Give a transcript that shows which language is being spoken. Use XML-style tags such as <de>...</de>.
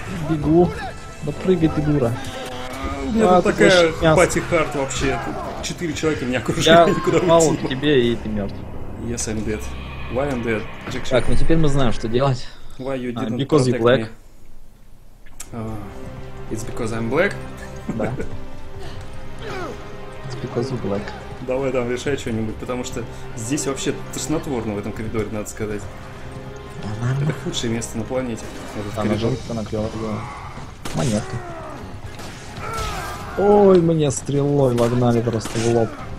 <ru>Бегу. Да прыгай ты, дура. У меня тут такая пати-хард вообще. Тут 4 человека меня окружают, никуда уйти. Я упал к тебе, и ты мертв.</ru> <en>Yes, I'm dead. Why I'm dead?</en> <ru>Jack, так, ну теперь мы знаем, что делать.</ru> <en>Why you didn't because you're black. It's because I'm black?</en> <ru>Да.</ru> <en>It's because you're black.</en> <ru>Давай там решай что-нибудь, потому что здесь вообще тошнотворно в этом коридоре, надо сказать. Это худшее место на планете. Там жопа наклевала. монетка. Ой, мне стрелой вогнали просто в лоб.</ru>